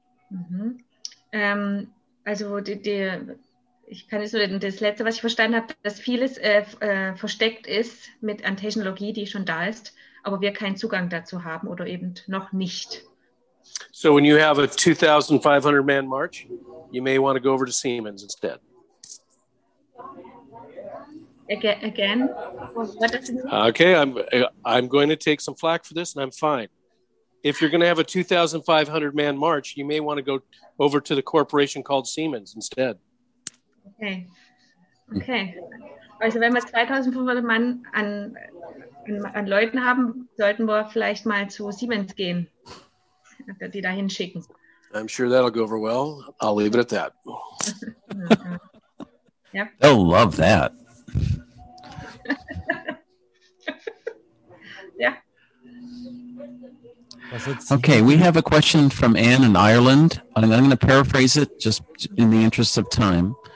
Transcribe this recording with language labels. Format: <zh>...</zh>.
<de>Mm-hmm. Also ich kann jetzt nur das Letzte, was ich verstanden habe, dass vieles versteckt ist mit an Technologie, die schon da ist, aber wir keinen Zugang dazu haben oder eben noch nicht.</de> <en>So when you have a 2,500 man march, you may want to go over to Siemens instead. Again. Okay, I'm going to take some flack for this, and I'm fine. If you're going to have a 2,500 man march, you may want to go over to the corporation called Siemens instead. Okay.</en> <de>Also, wenn wir 2,500 Mann an Leuten haben, sollten wir vielleicht mal zu Siemens gehen, die dahin schicken.</de> <en>I'm sure that'll go over well. I'll leave it at that. Yep. They'll love that. Okay, we have a question from Anne in Ireland. I'm going to paraphrase it just in the interest of time.</en>